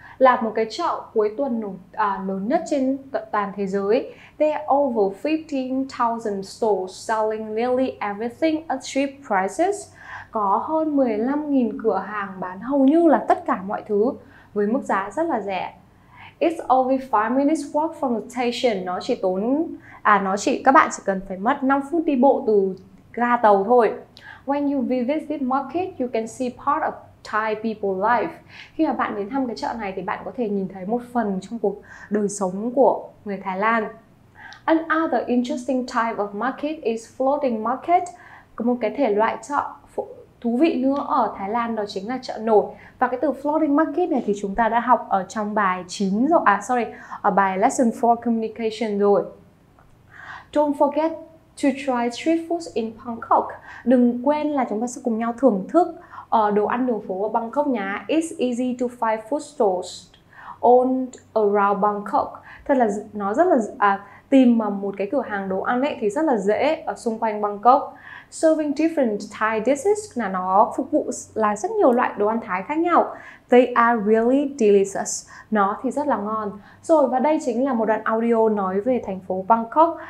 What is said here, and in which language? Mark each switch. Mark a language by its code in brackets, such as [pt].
[vi] là một cái chợ cuối tuần lớn nhất trên toàn thế giới. [en] There are over 15,000 stores selling nearly everything at cheap prices. [vi] Có hơn 15,000 cửa hàng bán hầu như là tất cả mọi thứ với mức giá rất là rẻ. [en] It's only 5 minutes walk from the station. [vi] Các bạn chỉ cần phải mất 5 phút đi bộ từ ga tàu thôi. [en] When you visit this market, you can see part of Thai people life. [vi] Khi mà bạn đến thăm cái chợ này thì bạn có thể nhìn thấy một phần trong cuộc đời sống của người Thái Lan. [en] Another interesting type of market is floating market. [vi] Có một cái thể loại chợ thú vị nữa ở Thái Lan đó chính là chợ nổi. Và cái từ floating market này thì chúng ta đã học ở trong bài 9 rồi. Ở bài lesson 4 communication rồi. [en] Don't forget to try street food in Bangkok. [vi] Đừng quên là chúng ta sẽ cùng nhau thưởng thức đồ ăn đường phố ở Bangkok nhá. [en] It's easy to find food stores all around Bangkok. [vi] Thật là nó rất là tìm mà một cái cửa hàng đồ ăn ấy thì rất là dễ ở xung quanh Bangkok. [en] Serving different Thai dishes [vi] là nó phục vụ là rất nhiều loại đồ ăn Thái khác nhau. [en] They are really delicious. [vi] Nó thì rất là ngon. Rồi và đây chính là một đoạn audio nói về thành phố Bangkok.